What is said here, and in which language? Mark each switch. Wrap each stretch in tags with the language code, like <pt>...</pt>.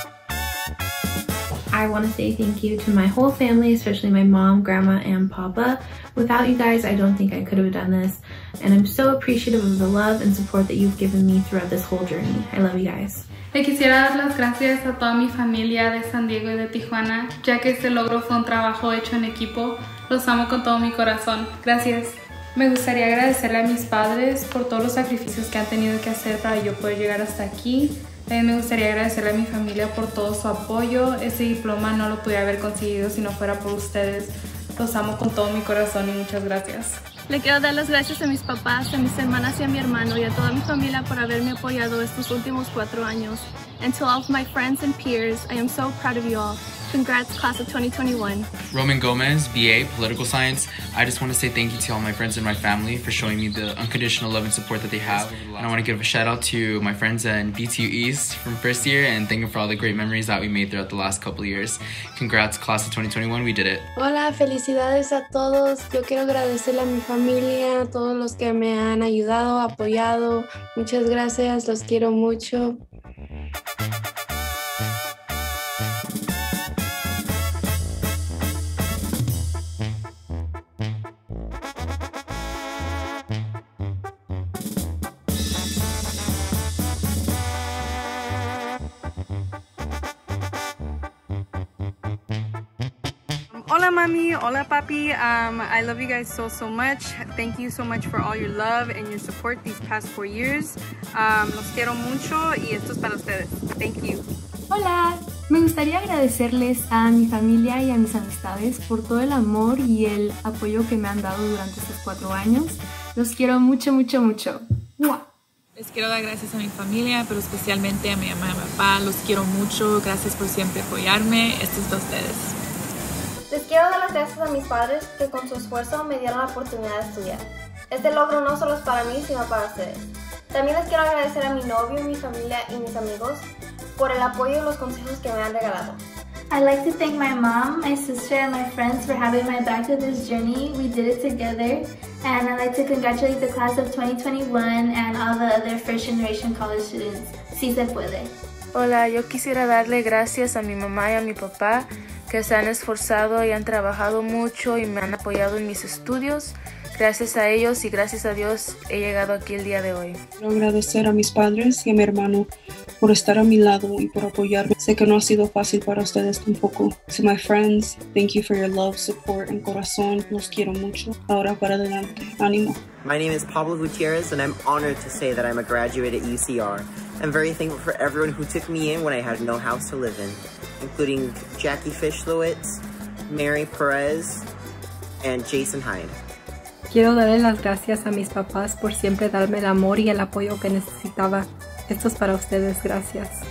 <en>I want to say thank you to my whole family, especially my mom, grandma, and papa. Without you guys, I don't think I could have done this. And I'm so appreciative of the love and support that you've given me throughout this whole journey. I love you guys.</en> <es>Le quisiera dar las gracias a toda mi familia de San Diego y de Tijuana, ya que este logro fue un trabajo hecho en equipo. Los amo con todo mi corazón. Gracias. Me gustaría agradecerle a mis padres por todos los sacrificios que han tenido que hacer para yo poder llegar hasta aquí. También me gustaría agradecerle a mi familia por todo su apoyo. Ese diploma no lo pudiera haber conseguido si no fuera por ustedes. Los amo con todo mi corazón y muchas gracias. Le quiero dar las gracias a mis papás, a mis hermanas y a mi hermano y a toda mi familia por haberme apoyado estos últimos 4 años.</es> <en>And to all of my friends and peers, I am so proud of you all. Congrats, class of 2021. Roman Gomez, BA, Political Science. I just want to say thank you to all my friends and my family for showing me the unconditional love and support that they have. And I want to give a shout out to my friends in BTU East from first year and thank them for all the great memories that we made throughout the last couple of years. Congrats, class of 2021, we did it.</en> <es>Hola, felicidades a todos. Yo quiero agradecerle a mi familia, a todos los que me han ayudado, apoyado. Muchas gracias, los quiero mucho. Hola mami, hola papi,</es> <en>I love you guys so much. Thank you so much for all your love and your support these past 4 years.</en> <es>Los quiero mucho y esto es para ustedes.</es> <en>Thank you.</en> <es>Hola, me gustaría agradecerles a mi familia y a mis amistades por todo el amor y el apoyo que me han dado durante estos 4 años. Los quiero mucho, mucho, mucho. ¡Mua! Les quiero dar gracias a mi familia, pero especialmente a mi mamá y a mi papá. Los quiero mucho, gracias por siempre apoyarme. Esto es para ustedes. Les quiero dar las gracias a mis padres que con su esfuerzo me dieron la oportunidad de estudiar. Este logro no solo es para mí, sino para ustedes. También les quiero agradecer a mi novio, mi familia y mis amigos por el apoyo y los consejos que me han regalado.</es> <en>I'd like to thank my mom, my sister, and my friends for having my back on this journey. We did it together. And I'd like to congratulate the class of 2021 and all the other first-generation college students.</en> <es>Si se puede. Hola, yo quisiera darle gracias a mi mamá y a mi papá que se han esforzado y han trabajado mucho y me han apoyado en mis estudios. Gracias a ellos y gracias a Dios he llegado aquí el día de hoy. Quiero agradecer a mis padres y a mi hermano por estar a mi lado y por apoyarme. Sé que no ha sido fácil para ustedes tampoco. To my friends, thank you for your love, support, and corazón. Los quiero mucho. Ahora para adelante. Ánimo.</es> <en>My name is Pablo Gutierrez, and I'm honored to say that I'm a graduate at UCR. I'm very thankful for everyone who took me in when I had no house to live in, including Jackie Fischlowitz, Mary Perez, and Jason Hyde.</en> <es>Quiero darle las gracias a mis papás por siempre darme el amor y el apoyo que necesitaba. Esto es para ustedes, gracias.</es>